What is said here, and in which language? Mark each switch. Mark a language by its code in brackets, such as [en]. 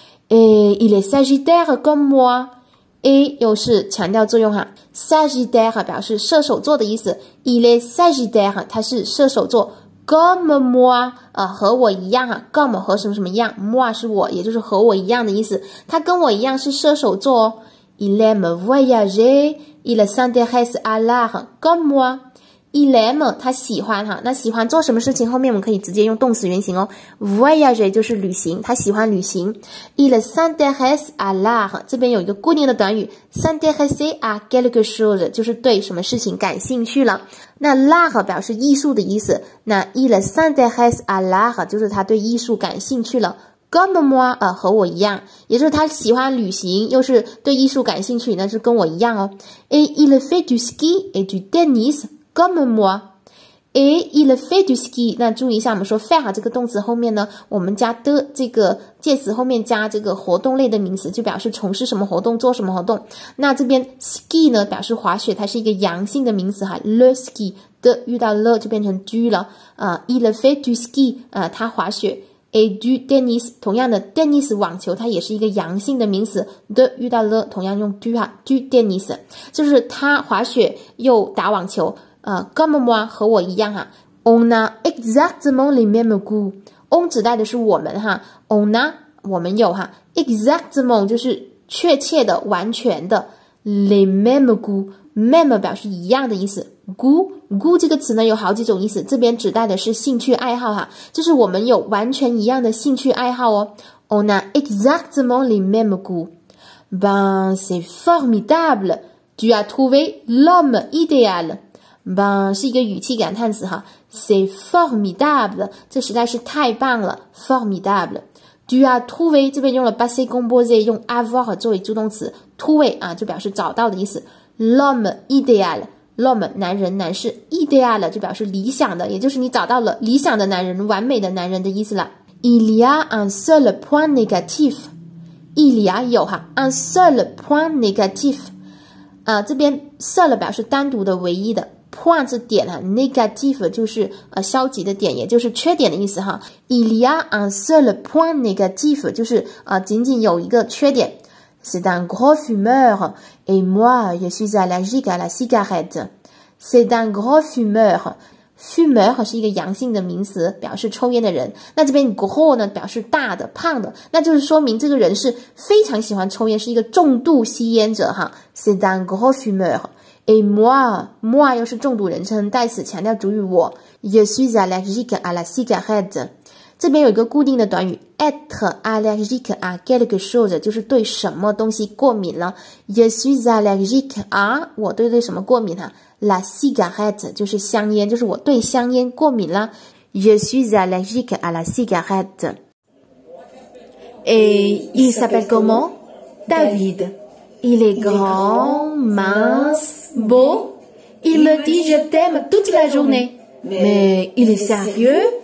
[fr] il est Sagittaire comme moi. [zh] Et 又是强调作用哈 ，Sagittaire 表示射手座的意思。 [fr] Il est Sagittaire， [zh] 他是射手座。 [fr] Comme moi， [zh] 和我一样哈。Comme 和什么什么一样 ，moi 是我，也就是和我一样的意思。他跟我一样是射手座哦。 [fr] Il aime voyager， il s'intéresse à l'art comme moi。 Il aime， [zh] 他喜欢哈。那喜欢做什么事情？后面我们可以直接用动词原形哦。Voyager 就是旅行，他喜欢旅行。 [fr] Il s'intéresse à l'art， [zh] 这边有一个固定的短语 ， [fr] s'intéresse à quelque chose， [zh] 就是对什么事情感兴趣了。那 l'art 表示艺术的意思。那 [fr] il s'intéresse à l'art， [zh] 就是他对艺术感兴趣了。 [fr] Comme moi， [zh] 和我一样，也就是他喜欢旅行，又是对艺术感兴趣，那是跟我一样哦。 [fr] Et il fait du ski et du tennis。 Comme moi. Et il fait du ski. [zh] 那注意一下我们说 faire 这个动词后面呢，我们加的这个介词后面加这个活动类的名词，就表示从事什么活动，做什么活动。那这边 ski 呢表示滑雪，它是一个阳性的名词哈。 Le ski 的遇到 le 就变成 du 了。 [fr] Il fait du ski, [zh] 他滑雪。 Et [fr] du tennis, [zh] 同样的 tennis 网球它也是一个阳性的名词 ,de 遇到 le, 同样用 du, 哈 du tennis, 就是他滑雪又打网球。 [fr] Comme moi, [zh] 和我一样哈。 [fr] On a exactement les mêmes goûts. [zh] On 指代的是我们哈。 [fr] On a, [zh] 我们有哈。 Exactement 就是确切的、完全的。 [fr] Les mêmes goûts. [zh] Même 表示一样的意思。Goût 这个词呢有好几种意思，这边指代的是兴趣爱好哈，就是我们有完全一样的兴趣爱好哦。 [fr] On a exactement les mêmes goûts. Ben, c'est formidable. Tu as trouvé l'homme idéal. [zh] Ben, 是一个语气感叹词哈 , [fr] c'est formidable, [zh] 这实在是太棒了 ,formidable. Tu as trouvé, 这边用了 [fr] passé composé, [zh] 用 avoir 作为助动词 ,trouvé, 啊就表示找到的意思。 [fr] L'homme idéal, [zh] l'homme, 男人男士 ,idéal, 就表示理想的，也就是你找到了理想的男人，完美的男人的意思了。 [fr] Il y a un seul point négatif. Il y a, [zh] 有哈 [fr] ,un seul point négatif. [zh] 这边 seul 表示单独的唯一的。Point 是点啊 ,negative 就是消极的点，也就是缺点的意思哈。 [fr] Il y a un seul point négatif, [zh] 就是仅仅有一个缺点。 [fr] C'est un gros fumeur, et moi, je suis allergique à la cigarette. C'est un gros fumeur. [zh] Fumeur 是一个阳性的名词，表示抽烟的人。那这边 gros 呢表示大的、胖的，那就是说明这个人是非常喜欢抽烟，是一个重度吸烟者哈。 [fr] C'est un gros fumeur. Et moi [zh] 又是重度人称代词，强调主语我。 [fr] Je suis allergique à la cigarette. [zh] 这边有一个固定的短语 [fr] être allergique à quelque chose, [zh] 就是对什么东西过敏了。 [fr] Je suis allergique à, [zh] 我对什么过敏啊 ? [fr] la cigarette, [zh] 就是香烟，就是我对香烟过敏了。 [fr] Je suis allergique à la cigarette. Et il s'appelle comment? David. Il est grand, mince. Beau, il me dit je t'aime toute la journée. Mais il est sérieux,